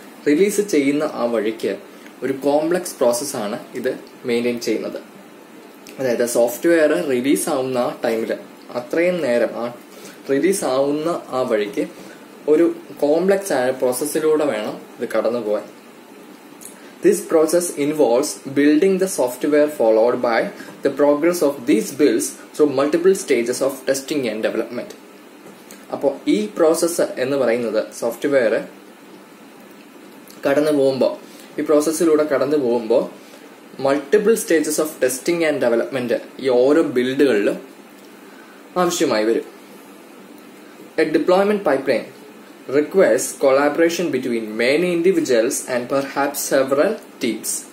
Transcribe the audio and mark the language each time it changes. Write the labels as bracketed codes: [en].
[ml] Release ചെയ്യുന്ന ആ വഴിക്ക് ഒരു കോംപ്ലക്സ് പ്രോസസ്സാണ് ഇത് മെയിൻറ്റെയിൻ ചെയ്യുന്നത്. അതായത് സോഫ്റ്റ്വെയർ റിലീസ് ആവുന്ന ആ ടൈമില്, അത്രയും നേരം ആ റിലീസ് ആവുന്ന ആ വഴിക്ക് ഒരു കോംപ്ലക്സ് ആയ പ്രോസസ്സിലൂടെ വേണം ഇത് കടന്നു പോവാൻ. [en] This process involves building the software followed by the progress of these builds through multiple stages of testing and development. [ml] അപ്പോൾ ഈ പ്രോസസ്സ് എന്ന് പറയുന്നത് സോഫ്റ്റ്വെയർ കടന്നു പോകുമ്പോൾ, ഈ പ്രോസസ്സിലൂടെ കടന്നു പോകുമ്പോൾ [en] multiple stages of testing and development [ml] ഈ ഓരോ ബിൽഡുകളിലും ആവശ്യമായി വരും. [en] A deployment pipeline requires collaboration between many individuals and perhaps several teams.